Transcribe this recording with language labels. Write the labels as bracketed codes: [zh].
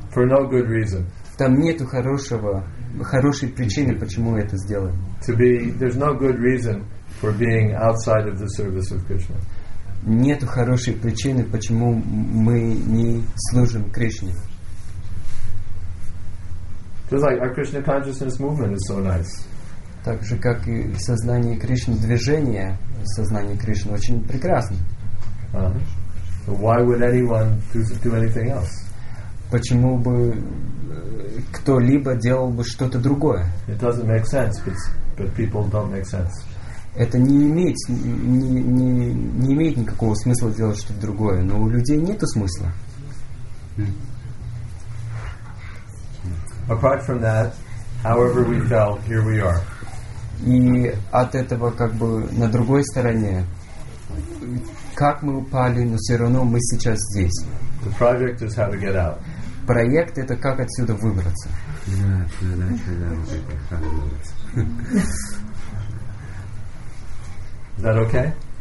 [en] For no good reason. [ru] Там нету хорошей причины, почему это сделали. [en] To be, there's no good reason for being outside of the service of Krishna. [ru] Нету хорошей причины, почему мы не служим Кришне. [en] Just like our Krishna consciousness movement is so nice. [ru] Так же, как и сознание Кришны, движение сознания Кришны очень прекрасно. [en] So why would anyone do anything else? [ru] Почему бы кто-либо делал бы что-то другое? [en] It doesn't make sense, but people don't make sense. [ru] Это не имеет никакого смысла делать что-то другое, но у людей нету смысла. [en] Apart from that, however we fell, here we are. [ru] И от этого как бы на другой стороне, как мы упали, но все равно мы сейчас здесь. [en] The project is how to get out. [ru] Проект — это как отсюда выбраться. [en] Is that okay?